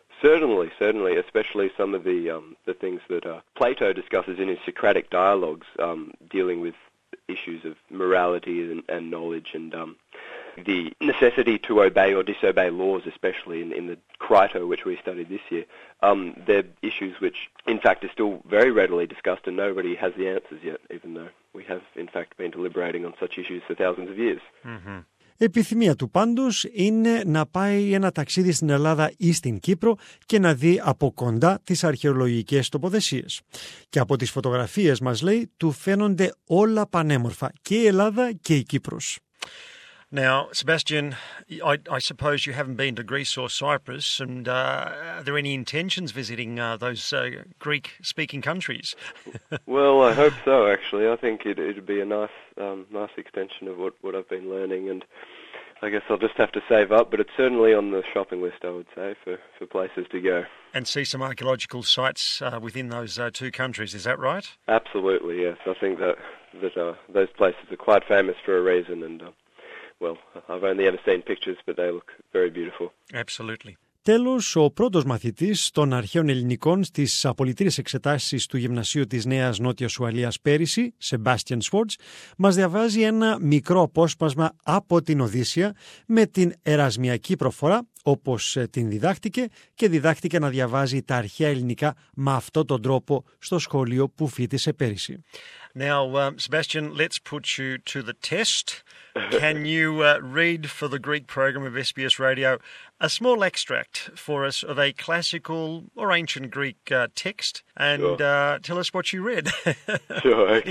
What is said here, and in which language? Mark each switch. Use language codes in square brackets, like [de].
[en] Certainly, especially some of the things that Plato discusses in his Socratic dialogues, dealing with issues of morality and knowledge and the necessity to obey or disobey laws, especially in the Crito, which we studied this year. They're issues which, in fact, are still very readily discussed and nobody has the answers yet, even though we have, in fact, been deliberating on such issues for thousands of years. Mm-hmm. [el] Επιθυμία του πάντως είναι να πάει ένα ταξίδι στην Ελλάδα ή στην Κύπρο και να δει από κοντά τις αρχαιολογικές τοποθεσίες. Και από τις φωτογραφίες, μας λέει, του φαίνονται όλα πανέμορφα, και η Ελλάδα και η Κύπρος. [en] Now, Sebastian, I suppose you haven't been to Greece or Cyprus, and are there any intentions visiting those Greek-speaking countries? Well, I hope so, actually. I think it'd be a nice extension of what I've been learning, and I guess I'll just have to save up, but it's certainly on the shopping list, I would say, for places to go. And see some archaeological sites within those two countries, is that right? Absolutely, yes. I think that those places are quite famous for a reason, and... Well, I've only ever seen pictures, but they look very beautiful. Absolutely. [el] Τέλος, ο πρώτος μαθητής των αρχαίων ελληνικών στις απολυτήριες εξετάσεις του Γυμνασίου της Νέας Νότιας Ουαλίας πέρυσι, Sebastian Schwartz, μας διαβάζει ένα μικρό απόσπασμα από την Οδύσσια με την ερασμιακή προφορά, όπως την διδάχτηκε και διδάχτηκε να διαβάζει τα αρχαία ελληνικά με αυτό τον τρόπο στο σχολείο που φοίτησε πέρυσι. [en] Now, Sebastian, let's put you to the test. Can you read for the Greek program of SBS Radio a small extract for us of a classical or ancient Greek text and sure. Tell us what you read sure, okay.